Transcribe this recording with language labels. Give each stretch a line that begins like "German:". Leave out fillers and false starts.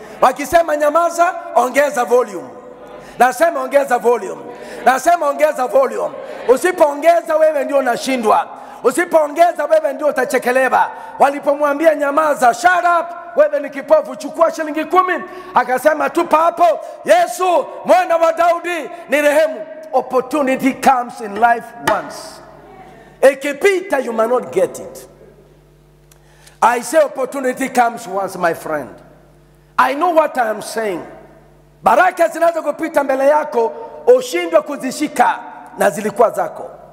Swahili: Wakisema nyamaza, ongeza volume. Nasema ongeza volume. Nasema ongeza volume. Usipoongeza wewe ndio unashindwa. Usipoongeza wewe ndio utachekeleba. Walipomwambia nyamaza,
English: shut up.
Swahili: Wewe ni kipofu, chukua shilingi 10. Akasema tupa hapo. Yesu, mwana wa Daudi, ni rehemu.
English: Opportunity comes in life once.
Swahili: Ikipita,
English: you may not get it. I say opportunity comes once, my friend. I know what I am saying.
Swahili: Baraka zinazokupita mbele yako, ushindwe kuzishika na zilikuwa zako.